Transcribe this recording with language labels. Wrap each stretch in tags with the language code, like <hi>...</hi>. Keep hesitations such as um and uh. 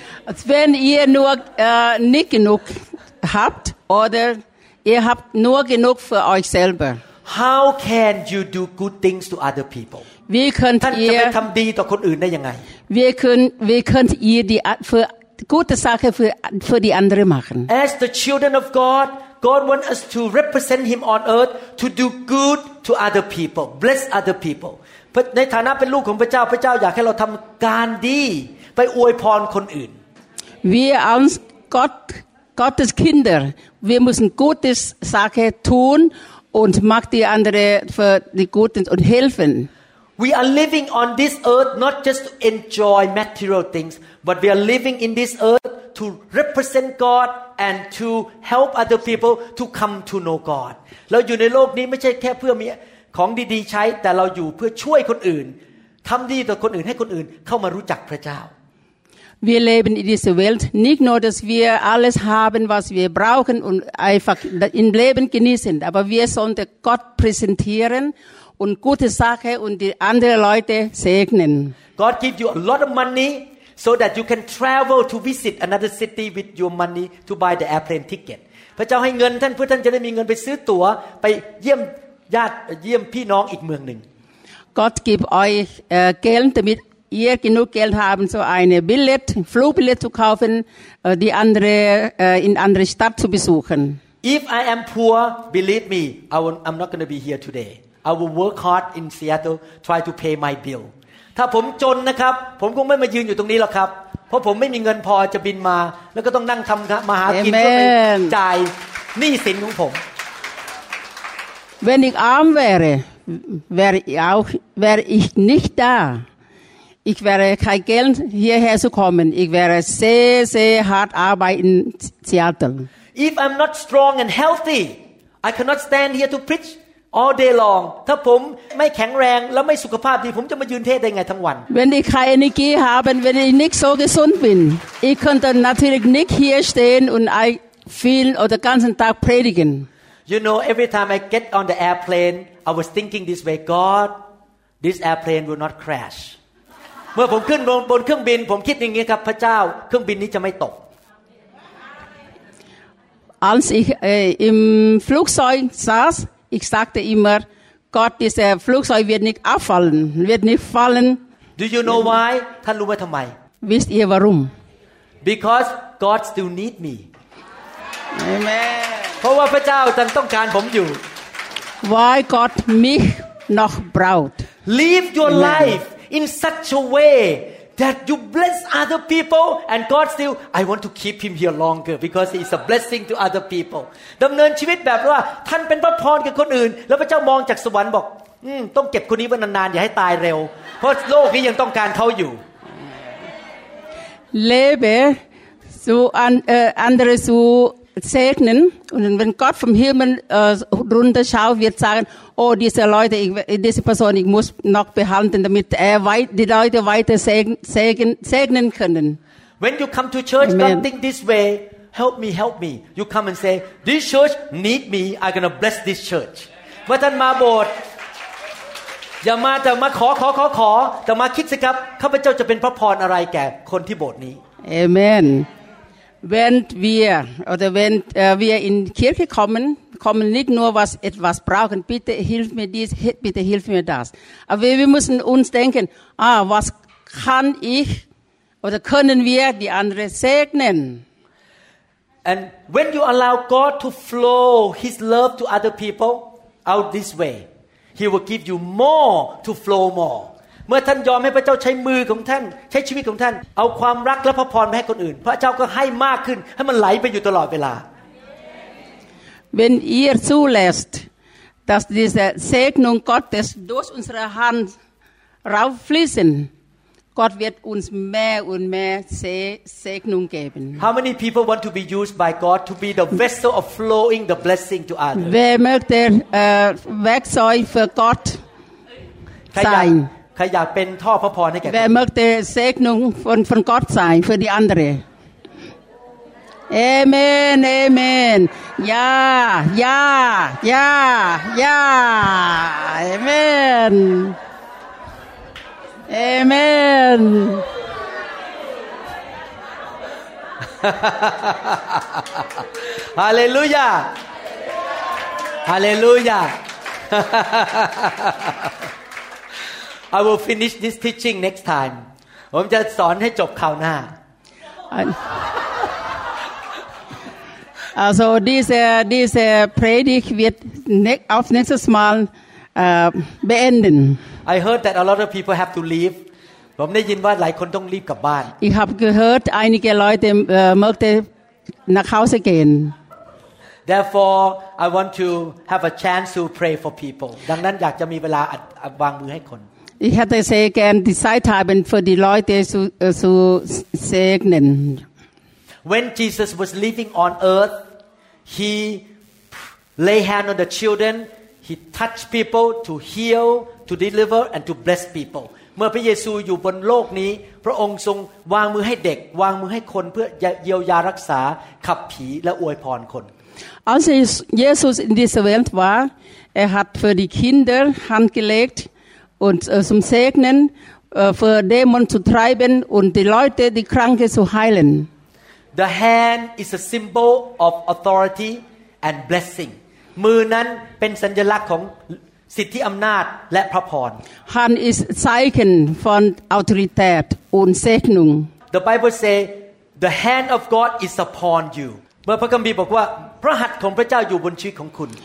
<de>als wenn ihr nur äh, nicht genug habt oder ihr habt nur genug für euch selber.</de> <en>how can you do good things to other people</en> <de>Wie könnt</de> <th>ท่านจะไป</th> <de>ihr</de> <th>ทำดีต่อคนอื่นได้ยังไง</th> <de>Wir können, wir könnt ihr die a- für gute Sache für, für die andere machen.</de> <en>As the children of God, God wants us to represent Him on earth to do good to other people, bless other people.</en> <th>พระในฐานะเป็นลูกของพระเจ้า พระเจ้าอยากให้เราทำการดีไปอวยพรคนอื่น</th> <de>Wir als Gott, Gottes Kinder, wir müssen gute Sache tun und macht die andere für die Guten und helfen.</de> <en>We are living on this earth not just to enjoy material things, but we are living in this earth to represent God and to help other people to come to know God.</en> <th>เราอยู่ในโลกนี้ไม่ใช่แค่เพื่อมีของดีๆใช้ แต่เราอยู่เพื่อช่วยคนอื่นทำดีต่อคนอื่นให้คนอื่นเข้ามารู้จักพระเจ้า</th> <de>Wir leben in dieser Welt nicht nur, dass wir alles haben, was wir brauchen und einfach im Leben genießen, aber wir sollten Gott präsentieren und gute Sache und die anderen Leute segnen.</de> <en>God give you a lot of money so that you can travel to visit another city with your money to buy the airplane ticket</en> <th>พระเจ้าให้เงินท่านเพื่อท่านจะได้มีเงินไปซื้อตั๋วไปเยี่ยมญาติเยี่ยมพี่น้องอีกเมืองหนึ่ง</th> <de>Gott gibt euch äh, Geld, damit ihr genug Geld haben, so eine Billett, Flugbillett zu kaufen, äh, die andere äh, in andere Stadt zu besuchen.</de> <en>If I am poor believe me I will, I'm not going to be here today I will work hard in Seattle try to pay my bill</en> <th>ถ้าผมจนนะครับ ผมคงไม่มายืนอยู่ตรงนี้หรอกครับ เพราะผมไม่มีเงินพอจะบินมา แล้วก็ต้องนั่งทำมาหากินเพื่อไป</th> <en>Amen</en> <th>จ่ายหนี้สินของผม</th> <de>Wenn ich arm wäre, wäre ich, auch, wäre ich nicht da. Ich wäre kein Geld, hierher zu kommen. Ich wäre sehr, sehr hart arbeiten in Seattle.</de> <en>If I'm not strong and healthy I cannot stand here to preach all day long</en> <th>ถ้าผมไม่แข็งแรงและไม่สุขภาพดี ผมจะมายืนเทศได้ไงทั้งวัน</th> <de>Wenn ich keine Energie habe, wenn ich nicht so gesund bin, ich könnte natürlich nicht hier stehen und ein- viel oder ganzen Tag predigen.</de> <en>You know, every time I get on the airplane, I was thinking this way God, this airplane will not crash.</en> <th>เมื่อผมขึ้นบนบนเครื่องบิน ผมคิดอย่างนี้ครับพระเจ้า เครื่องบินนี้จะไม่ตก</th> <de>Als ich äh, im Flugzeug saß, ich sagte immer, Gott, dieser Flugzeug wird nicht abfallen, wird nicht fallen.</de> <en>Do you know why</en> <th>ท่านรู้ไหมทำไม</th> <de>Wisst ihr warum?</de> <en>Because God still need me Amen.</en> <th>เพราะว่าพระเจ้ายังต้องการผมอยู่</th> <de>Weil Gott mich noch braucht.</de> <en>Live your Amen. life in such a way that you bless other people</en> <th>and God still I want to keep him here longer because he is a blessing to other people ดำเนินชีวิตแบบว่าท่านเป็นพระพรกับคนอื่น แล้วพระเจ้ามองจากสวรรค์บอกอืมต้องเก็บคนนี้ไว้นานๆอย่าให้ตายเร็ว เพราะโลกนี้ยังต้องการเขาอยู่</th> <de>Lebe, so an, äh, andere zu segnen. Und wenn Gott vom Himmel äh, runterschaut, wird sagen, oh, diese Leute, ich, diese Person, ich muss noch behandeln, damit er wei- die Leute weiter segnen, segnen, segnen können.</de> <en>when you come to church Amen. don't think this way help me help me you come and say this church</en> <th>need me I'm gonna bless this church เมื่อท่านมาโบสถ์ อย่ามาแต่มาขอขอขอขอ แต่มาคิดสิครับข้าพเจ้าจะเป็นพระพรอะไรแก่คนที่โบสถ์นี้</th> <en>Amen.</en> <de>Wenn wir oder wenn äh, wir in die Kirche kommen, kommen nicht nur was etwas brauchen. Bitte hilf mir dies, hi- bitte hilf mir das. Aber wir müssen uns denken: Ah, was kann ich oder können wir die anderen segnen?</de> <en>and when you allow God to flow His love to other people out this way He will give you more to flow more</en> <th>เมื่อท่านยอมให้พระเจ้าใช้มือของท่าน ใช้ชีวิตของท่าน เอาความรักและพระพรไปให้คนอื่น พระเจ้าก็ให้มากขึ้น ให้มันไหลไปอยู่ตลอดเวลา</th> <de>Wenn ihr zulässt, dass diese Segnung Gottes durch unsere Hand rauffließen, Gott wird uns mehr und mehr Se- Segnung geben.</de> <en>How many people want to be used by God to be the vessel of flowing the blessing to others?</en> <de>Wer möchte äh, Werkzeug für Gott</de> <th>ใครอยาก</th> <de>sein?</de> <th>ใครอยากเป็นท่อพระพรให้แก่คน</th> <de>Wer möchte Segnung von, von Gott sein für die andere? Amen, Amen. Ja, ja, ja, ja. Amen.</de> <en>Amen. Hallelujah. Hallelujah. I will finish this teaching next time</en> <th>ผมจะสอนให้จบคราวหน้า</th> <de>Also diese, diese Predigt wird ne- auf nächstes Mal äh, beenden.</de> <en>I heard that a lot of people have to leave</en> <th>ผมได้ยินว่าหลายคนต้องรีบกลับบ้าน</th> <de>Ich habe gehört, einige Leute äh, möchten nach Hause gehen.</de> <en>Therefore I want to have a chance to pray for people</en> <th>ดังนั้นอยากจะมีเวลาอัดอัดวางมือให้คน</th> <de>Ich hätte sehr gern die Zeit haben, für die Leute zu, äh, zu segnen.</de> <en>When Jesus was living on earth he lay hand on the children he touched people to heal to deliver and to bless people</en> <th>เมื่อพระเยซูอยู่บนโลกนี้ พระองค์ทรงวางมือให้เด็ก วางมือให้คนเพื่อเยียวยารักษาขับผีและอวยพรคน</th> <de>Als Jesus- Jesus in dieser Welt war, er hat für die Kinder Hand gelegt und äh, zum Segnen, äh, für Dämonen zu treiben und die Leute, die Kranke zu heilen.</de> <en>The hand is a symbol of authority and blessing</en> <th>มือนั้นเป็นสัญลักษณ์ของสิทธิอำนาจและพระพร</th> <de>Hand ist Zeichen von Autorität und Segnung.</de> <en>The Bible say the hand of God is upon you</en> <th>เมื่อพระคัมภีร์บอกว่า พระหัตถ์ของพระเจ้าอยู่บนชีวิตของคุณ</th>